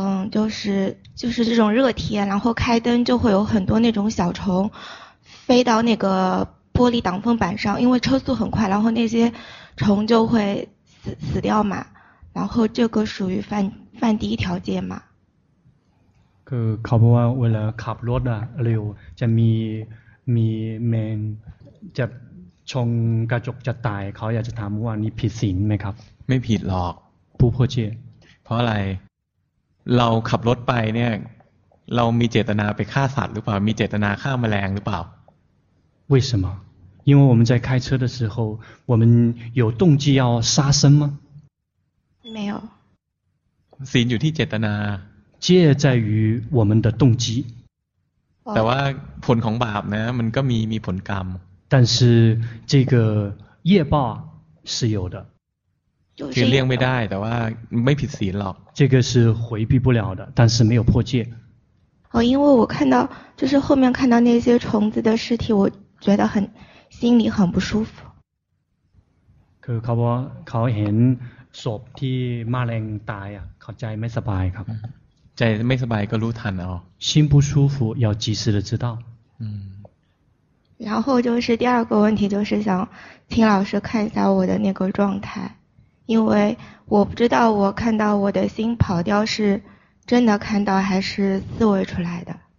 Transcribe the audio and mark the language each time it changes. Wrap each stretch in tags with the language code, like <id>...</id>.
<zh>就是这种热天然后开灯就会有很多那种小虫飞到那个玻璃挡风板上因为车速很快然后那些虫就会死掉嘛然后这个属于犯第一条戒嘛</zh> <th>คือขับว่าเวลาขับรถอะเร็วจะมีแมงจะชงกระจกจะตายเขาอยากจะถามว่านี่ผิดศีลไหมครับ ไม่ผิดหรอก ผู้โพเช เพราะอะไรเราขับรถไปเนี่ยเรามีเจตนาไปฆ่าสัตว์หรือเปล่ามีเจตนาฆ่าแมลงหรือเปล่า</th> <zh>为什么因为我们在开车的时候我们有动机要杀生吗没有</zh> <th>ศีลอยู่ที่เจตนา</th> <zh>戒在于我们的动机</zh> <th>แต่ว่าผลของบาปนะมันก็มีผลกรรม</th> <zh>但是这个业报是有的</zh> <th>คือเลี่ยงไม่ได้แต่ว่าไม่ผิดศีลหรอก</th> <zh>这个是回避不了的但是没有破戒哦，因为我看到就是后面看到那些虫子的尸体，我觉得很心里很不舒服。</zh> <th>คือเขาเห็นศพที่แมลงตายอ่ะเขาใจไม่สบายครับ ใจไม่สบายก็รู้ทันอ๋</th> <zh>อ心不舒服要及时的知道。嗯。然后就是第二个问题，就是想请老师看一下我的那个状态，因为我不知道我看到我的心跑掉是。真的看到还是思维出来的</zh>